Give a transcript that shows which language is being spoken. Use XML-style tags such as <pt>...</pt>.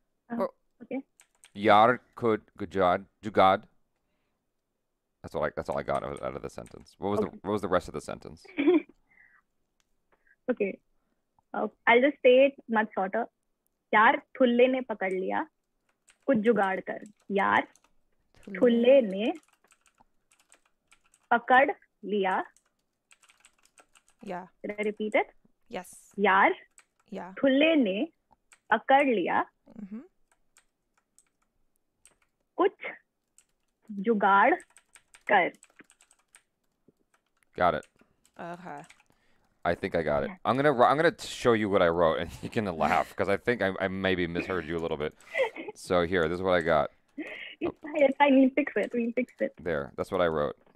<en>Okay.</en> <hi>Yar</hi> <en>could gujad jugad. That's all I got out of the sentence. What was the rest of the sentence? Okay, I'll just say it much shorter.</en> <hi>यार थुल्ले ने पकड़ लिया कुछ जुगाड़ कर यार थुल्ले ने पकड़ लिया या</hi> <en>did I repeat it? Yes.</en> <hi>यार या थुल्ले ने पकड़ लिया कुछ जुगाड़ कर</hi> <en>got it okay. I think I got it. I'm gonna show you what I wrote, and you can laugh because I think I maybe misheard you a little bit. So here, this is what I got. It's fine. We'll fix it. There, that's what I wrote.</en>